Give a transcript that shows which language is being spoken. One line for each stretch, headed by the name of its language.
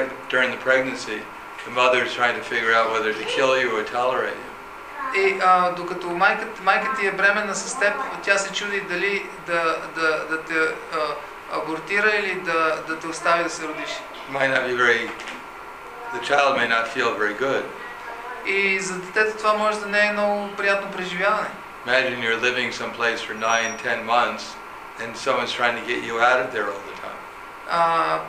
English: during the pregnancy, the mother is trying to figure out whether to kill you or tolerate you.
Bulgarian: И докато майката ти е бременна с теб, тя се чуди дали да те абортира или да те остави да се родиш.
English: Might not be very, the child may not feel very good.
Bulgarian: И за детето това може да не е много приятно преживяване.
English: Imagine you're living someplace for 9-10 months and someone's trying to get you out of there all the time.